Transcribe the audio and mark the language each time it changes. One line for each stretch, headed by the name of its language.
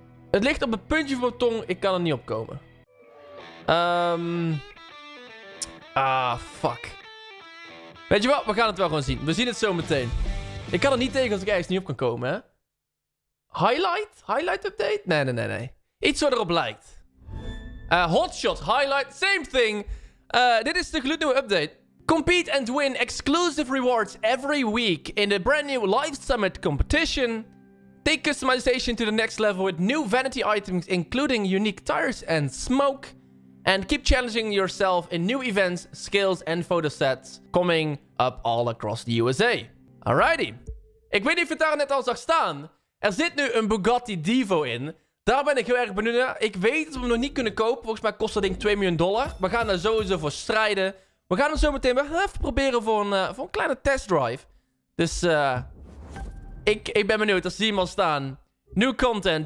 Dutch: Het ligt op het puntje van mijn tong. Ik kan er niet op komen. Fuck. Weet je wat? We gaan het wel gewoon zien. We zien het zo meteen. Ik kan er niet tegen als ik ergens niet op kan komen, hè? Highlight? Highlight update? Nee. Iets wat erop lijkt.
English: Hotshot, highlight, same thing.
Dutch: Dit is de gloednieuwe update.
English: Compete and win exclusive rewards every week in the brand new Live Summit competition. Take customization to the next level with new vanity items, including unique tires and smoke. And keep challenging yourself in new events, skills and photo sets coming up all across the USA. Alrighty.
Dutch: Ik weet niet of je het daar net al zag staan. Er zit nu een Bugatti Devo in. Daar ben ik heel erg benieuwd naar. Ik weet dat we hem nog niet kunnen kopen. Volgens mij kost dat ding 2 miljoen dollar. We gaan daar sowieso voor strijden. We gaan hem zo meteen even proberen voor een kleine test drive. Dus ik ben benieuwd. Als zie je hem al staan.
English: New content.